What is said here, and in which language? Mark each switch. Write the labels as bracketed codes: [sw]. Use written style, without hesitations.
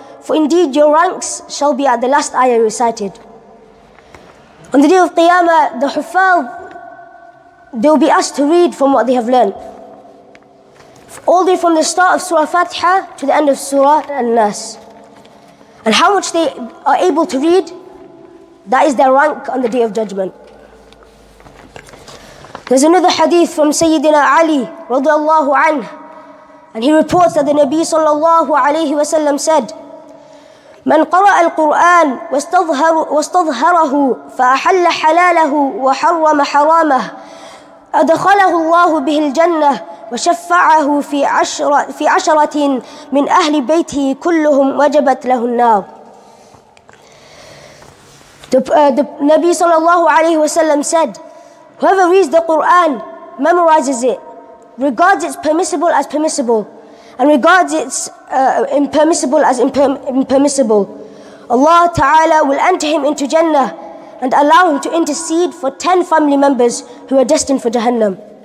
[en] for indeed your ranks shall be at the last ayah recited. On the day of Qiyamah, the Huffaz, they will be asked to read from what they have learned. All the way from the start of Surah Fatiha to the end of Surah An-Nas. And how much they are able to read, that is their rank on the Day of Judgment. There's another hadith from Sayyidina Ali radiallahu anhu, and he reports that the Nabi sallallahu alayhi wa sallam said, [ar] من قرأ القرآن واستظهره فأحل حلاله وحرم حرامه أدخله الله به الجنة وشفعه في عشرة من أهل بيته كلهم وجبت له النار. [en] The Nabi sallallahu alayhi wa sallam said, whoever reads the Quran, memorizes it, regards it permissible as permissible, and regards it impermissible as impermissible, Allah Ta'ala will enter him into Jannah and allow him to intercede for 10 family members who are destined for Jahannam.